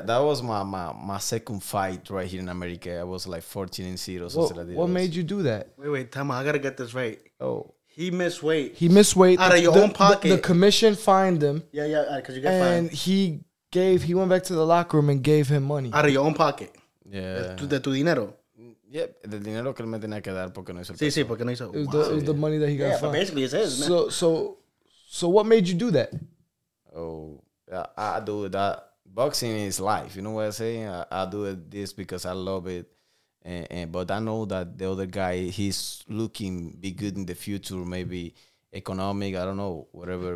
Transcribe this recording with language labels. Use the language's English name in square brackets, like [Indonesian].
[English] That was my second fight right here in America. I was like 14-0. What made you do that? Wait, time out. I got to get this right. Oh. He missed weight. Out of your own pocket. The commission fined him. Yeah, because you got fined. And he went back to the locker room and gave him money. Out of your own pocket. Yeah. [Spanish] De tu dinero. Yeah, del dinero que él me tenía que dar porque no hizo el peso. Sí, porque no hizo. [English] It was the money that he got fined. Yeah, but basically it's his, man. So what made you do that? Oh, I do that. Boxing is life. You know what I'm saying? I do this because I love it. But I know that the other guy, he's looking be good in the future, maybe economic, I don't know, whatever.